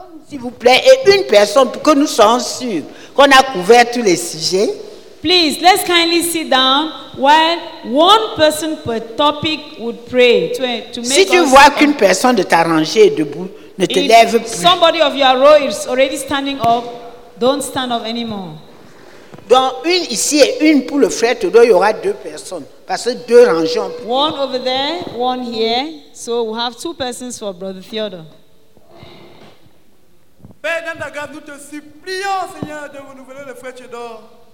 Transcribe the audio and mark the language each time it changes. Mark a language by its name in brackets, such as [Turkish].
[French] Et une personne pour que nous soyons sûrs qu'on a couvert tous les sujets. [English] Please, let's kindly sit down while one person per topic would pray to make [French] Si tu vois qu'une personne de ta rangée est debout, ne te lève plus. [English] Somebody of your row is already standing up. Don't stand up anymore. [French] Donc une ici et une pour le frère Todo, il y aura deux personnes parce que deux rangées. Ont... [English] One over there, one here. So we have two persons for Brother Theodore. [French] Père dans ta grâce, nous te supplions, Seigneur, de renouveler le frère Tchédor.